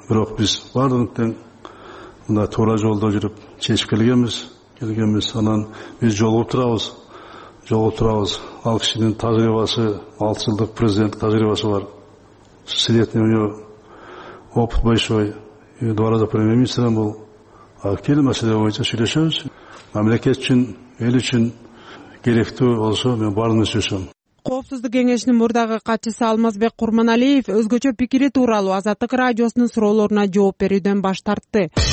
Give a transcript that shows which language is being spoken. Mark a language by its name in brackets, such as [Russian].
[Kyrgyz] Бирок биз баардыгын тең мындай туура жолдо жүрүп чечип келгенбиз. Анан биз жолугуп турабыз. Ал кишинин тажрыйбасы, 6 жылдык президент тажрыйбасы бар, [Russian] светный у него опыт большой, и два раза премьер министром был. [Kyrgyz] Кел маселе боюнча сүйлөшөбүз. Мамлекет үчүн, эл үчүн керектүү болсо мен баарын сүйлөшөм. Коопсуздук кеңешинин мурдагы катчысы Алмазбек Курманалиев өзгөчө пикири тууралуу Азаттык радиосунун суроолоруна жооп берүүдөн баш тартты.